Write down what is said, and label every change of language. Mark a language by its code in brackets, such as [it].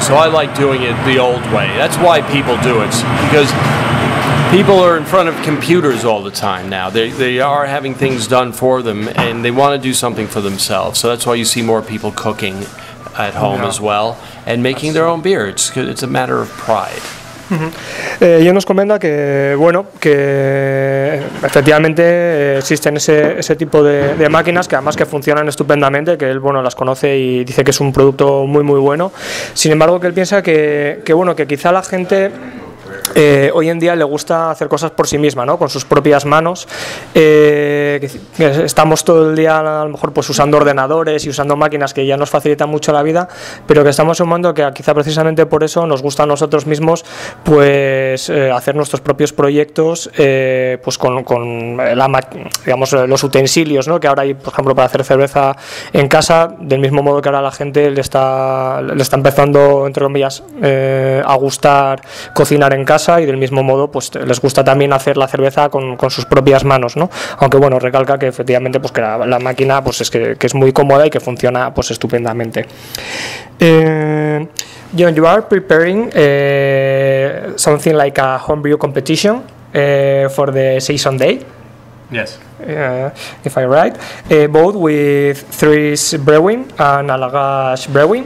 [en] So I like doing it the old way. That's why people do it, because people are in front of computers all the time now. They are having things done for them, and they want to do something for themselves. So that's why you see more people cooking at home as well, and making their own beer. It's a matter of pride. [es] Ella nos comenta que bueno, que efectivamente existen ese tipo de máquinas, que además que funcionan estupendamente, que él bueno, las conoce y dice que es un producto muy muy bueno. Sin embargo, que él piensa que bueno, que quizá la gente Hoy en día le gusta hacer cosas por sí misma, ¿no? Con sus propias manos. Estamos todo el día a lo mejor pues usando ordenadores y usando máquinas que ya nos facilitan mucho la vida, pero que estamos sumando que quizá precisamente por eso nos gusta a nosotros mismos pues hacer nuestros propios proyectos pues con la digamos los utensilios, ¿no? Que ahora hay, por ejemplo, para hacer cerveza en casa, del mismo modo que ahora la gente le está empezando, entre comillas, a gustar cocinar en casa, y del mismo modo pues les gusta también hacer la cerveza con sus propias manos, ¿no? Aunque bueno, recalca que efectivamente pues que la máquina pues es que es muy cómoda y que funciona pues estupendamente. [en] John, you are preparing something like a homebrew competition for the season day. Yes. If I write, both with Thrice Brewing and Alagash Brewing.